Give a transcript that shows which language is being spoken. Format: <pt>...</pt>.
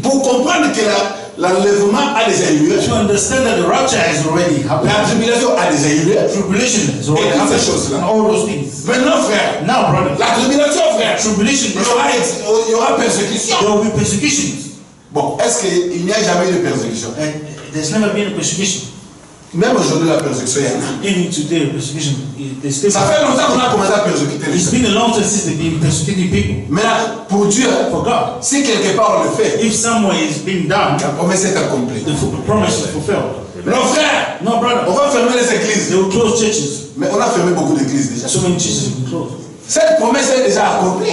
<fr>pour comprendre que l'enlèvement a déjà eu lieu,</fr> <en>to understand that the rapture has already happened,</en> <fr>la tribulation a déjà eu lieu,</fr> <en>tribulation has already happened,</en> <fr>et toutes ces choses là,</fr> <en>all those things.</en> <fr>Maintenant, frère,</fr> <en>now, brother,</en> <fr>la tribulation, frère,</fr> <en>tribulation,</en> <fr>il y aura persécution,</fr> <en>there will be persecutions.</en> <fr>Bon, est-ce qu'il n'y a jamais eu de persécution?</fr> <en>There's never been a persecution.</en> <fr>Même aujourd'hui, la persécution est là.</fr> <en>Even today, persecution is still.</en> <fr>Ça fait longtemps qu'on a commencé à persécuter les gens.</fr> <en>It's been a long time since they've been persecuting people.</en> <fr>Mais là, pour Dieu,</fr> <en>for God,</en> <fr>si quelque part on le fait,</fr> <en>if somewhere is being done,</en> <fr>la promesse est accomplie.</fr> <en>The promise is fulfilled.</en> <fr>Non, frère,</fr> <en>no, brother,</en> <fr>on va fermer les églises.</fr> <en>They will close churches.</en> <fr>Mais on a fermé beaucoup d'églises déjà.</fr> <en>So many churches have been closed.</en> <fr>Cette promesse est déjà accomplie.</fr>